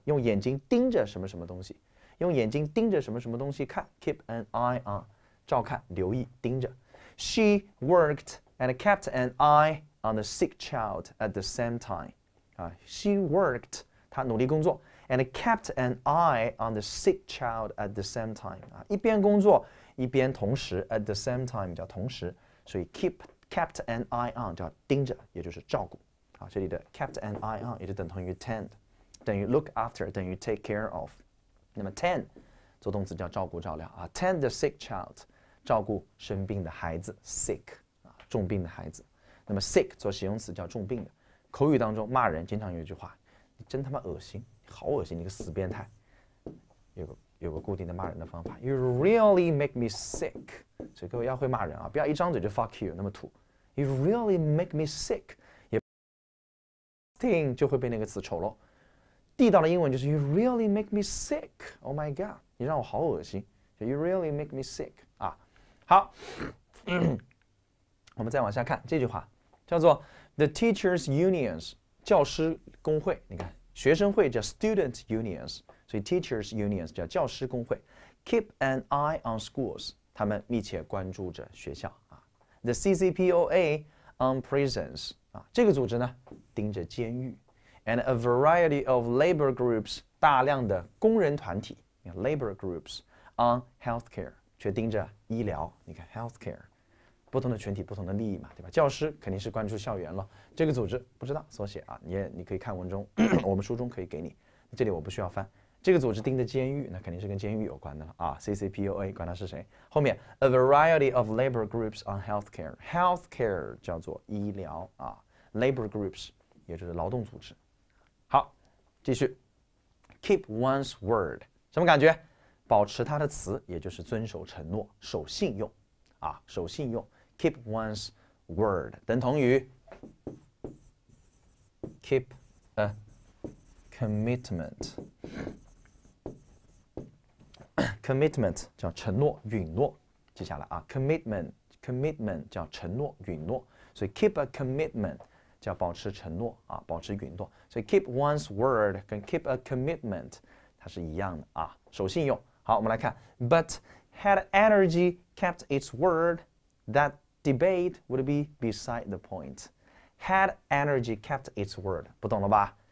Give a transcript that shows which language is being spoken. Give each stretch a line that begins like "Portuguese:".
Chinese: 用眼睛盯着什么什么东西，用眼睛盯着什么什么东西看。
English: keep an eye on。
Chinese: 照看、留意、盯着。
English: She worked and kept an eye on the sick child at the same time. 啊，She worked，
Chinese: 她努力工作，
English: and kept an eye on the sick child at the same time.
Chinese: 啊，一边工作一边同时，
English: at the same time
Chinese: 叫同时，所以 kept an eye on 叫盯着，也就是照顾。啊，这里的 kept an eye on 也就等同于 tend，等于 look after，等于 take care of。那么 tend 做动词叫照顾、照料啊，
English: tend the sick child。
Chinese: 照顾生病的孩子 ，sick 啊，重病的孩子。那么 sick 做形容词叫重病的。口语当中骂人经常有一句话：“你真他妈恶心，好恶心，你个死变态。有个固定的骂人的方法 ，
English: You really make me sick。”
Chinese: 所以各位要会骂人啊，不要一张嘴就 fuck you 那么土。
English: You really make me sick，
Chinese: 也 sting 就会被那个词丑陋。地道的英文就是
English: You really make me sick。 Oh my god，
Chinese: 你让我好恶心。
English: You really make me sick。
Chinese: 好，我们再往下看这句话，叫做
English: The teachers' unions
Chinese: 教师工会。你看，学生会叫 student unions， 所以 teachers' unions 叫教师工会。
English: Keep an eye on schools，
Chinese: 他们密切关注着学校啊。
English: The CCPOA on prisons
Chinese: 啊，这个组织呢盯着监狱。
English: And a variety of labor groups，
Chinese: 大量的工人团体
English: ，labor groups on healthcare
Chinese: 却盯着医疗。你看 healthcare 不同的群体、不同的利益嘛，对吧？教师肯定是关注校园了，这个组织不知道缩写啊，你可以看文中，我们书中可以给你，这里我不需要翻。这个组织盯着监狱，那肯定是跟监狱有关的了啊。 CCPOA 管他是谁，后面
English: a variety of labor groups on healthcare，
Chinese: healthcare 叫做医疗啊，labor groups 也就是劳动组织。好，继续，keep one's word 什么感觉？保持他的词，也就是遵守承诺、守信用啊，守信用。 keep one's word 等同于 keep a commitment。 Commitment 叫承诺、允诺，记下来啊。Commitment 叫承诺、允诺，所以 keep a commitment 叫保持承诺啊，保持允诺。所以 keep one's word 跟 keep a commitment 它是一样的啊，守信用。好，我们来看，
English: But had energy kept its word, that debate would be beside the point. Had energy kept its word，
Chinese: 不懂了吧？